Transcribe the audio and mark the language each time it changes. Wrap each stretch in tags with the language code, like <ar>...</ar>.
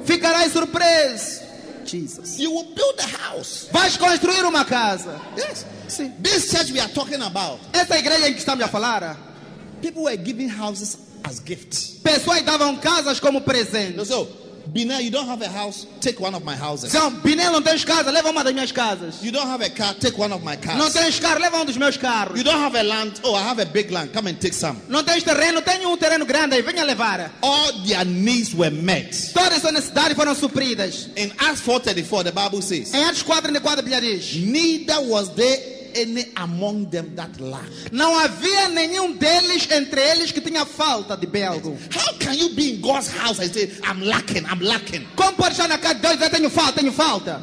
<pt>Ficará surpreso. Jesus.</pt> <en>You will build a house.</en> <pt>Vais construir uma casa.</pt> <en>Yes.</en> <pt>Sim.</pt> <en>This church we are talking about.</en> <pt>Essa igreja em que estamos a falar.</pt> <en>People were giving houses as gifts.</en> <pt>Pessoas davam casas como presente.</pt> <en>So, Biné, you don't have a house, take one of my houses.</en> <pt>Então, Biné, não tens casa, leva uma das minhas casas.</pt> <en>You don't have a car, take one of my cars.</en> <pt>Não tens carro, leva dos meus carros.</pt> <en>You don't have a land, oh, I have a big land, come and take some.</en> <pt>Não tens terreno, tenho terreno grande, venha levar.</pt> <en>All their needs were met.</en> <pt>Todas as necessidades foram supridas.</pt> <en>In Acts 4:34, the Bible says.</en> <pt>Em Atos 4:34, a Bíblia diz.</pt> <en>Neither was there any among them that lacked.</en> <pt>Não havia nenhum deles entre eles que tinha falta de bem algum.</pt> <en>How can you be in God's house and say, I'm lacking?</en> <pt>Como pode estar na casa de Deus e dizer, tenho falta?</pt>